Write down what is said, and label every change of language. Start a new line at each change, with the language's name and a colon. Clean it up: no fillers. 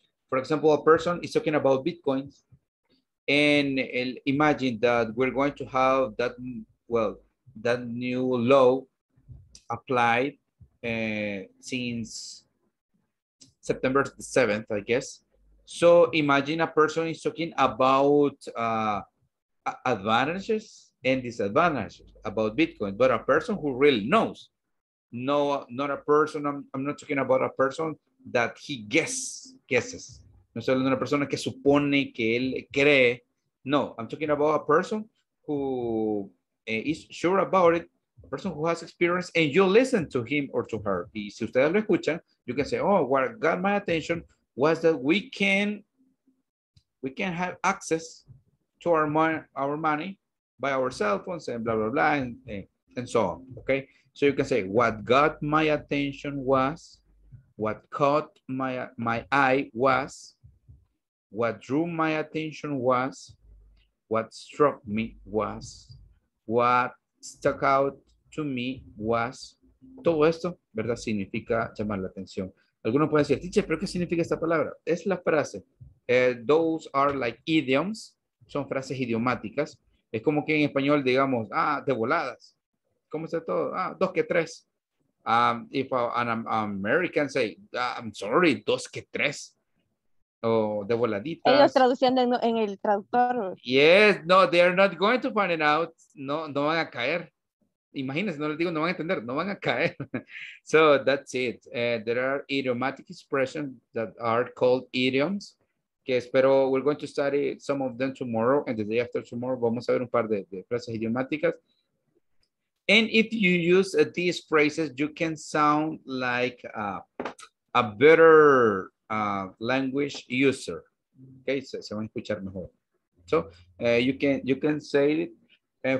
English: For example, a person is talking about Bitcoins, and imagine that we're going to have that, well, that new law applied since September 7th, I guess. So imagine a person is talking about advantages and disadvantages about Bitcoin, but a person who really knows, I'm not talking about a person that he guesses.
Spanish: No estoy hablando de una persona que supone que él cree.
English: No, I'm talking about a person who is sure about it, a person who has experience, and you listen to him or to her.
Spanish: Y si ustedes lo escuchan,
English: you can say, oh, what got my attention was that we can have access to our money by our cell phones and blah, blah, blah, and so on, okay? So you can say, what got my attention was, what caught my eye was, what drew my attention was, what struck me was, what stuck out to me was.
Spanish: Todo esto, ¿verdad?, significa llamar la atención. Algunos pueden decir, teacher, ¿pero qué significa esta palabra? Es la frase.
English: Those are like idioms.
Spanish: Son frases idiomáticas. Es como que en español digamos, de voladas. ¿Cómo está todo? Dos que tres.
English: If an American say, I'm sorry,
Spanish: dos que tres. De voladitas. Ellos traduciendo en el traductor.
English: Yes, no, they are not going to find it out.
Spanish: No, no van a caer. Imagínense, no les digo, no van a entender, no van a caer.
English: So that's it. There are idiomatic expressions that are called idioms.
Spanish: Que espero,
English: we're going to study some of them tomorrow and the day after tomorrow.
Spanish: Vamos a ver un par de frases idiomáticas.
English: And if you use these phrases, you can sound like a better language user. Okay,
Spanish: se van a escuchar mejor.
English: So you can say it.